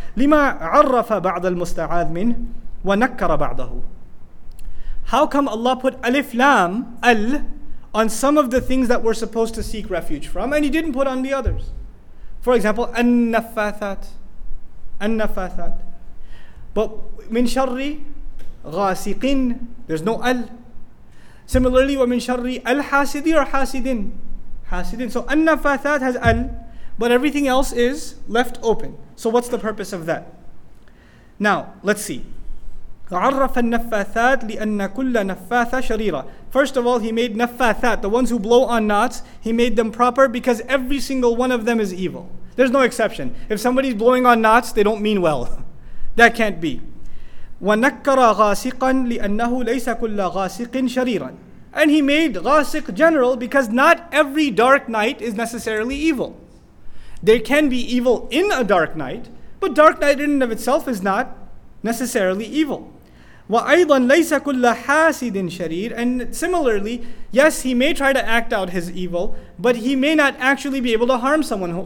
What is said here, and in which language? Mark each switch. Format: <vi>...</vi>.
<ar>لِمَا عَرَّفَ بَعْضَ الْمُسْتَعَاذِ مِنْ وَنَكَّرَ بَعْضَهُ.</ar> <en>How come Allah put alif lam, al, on some of the things that we're supposed to seek refuge from, and He didn't put on the others? For example, النفاثات.</en> <ar>النفاثات. But من شر غاسق,</ar> <en>there's no</en> <ar>أل. Similarly, ومن شر الحاسد or حاسدين. حاسدين.</ar> <en>So النفاثات has أل, but everything else is left open. So what's the purpose of that? Now, let's see.</en> <ar>عرف النفاثات لأن كل نفاثة شريرة.</ar> <en>First of all, he made نفاثات, the ones who blow on knots, he made them proper because every single one of them is evil. There's no exception. If somebody's blowing on knots, they don't mean well. That can't be.</en> <ar>ونكر غاسقا لأنه ليس كل غاسق شريرا.</ar> <en>And he made غاسق general because not every dark night is necessarily evil. There can be evil in a dark night, but dark night in and of itself is not necessarily evil.</en> <ar>وَأَيْضًا لَيْسَ كُلَّ حَاسِدٍ شَرِيرٍ.</ar> <en>And similarly, yes, he may try to act out his evil, but he may not actually be able to harm someone.</en>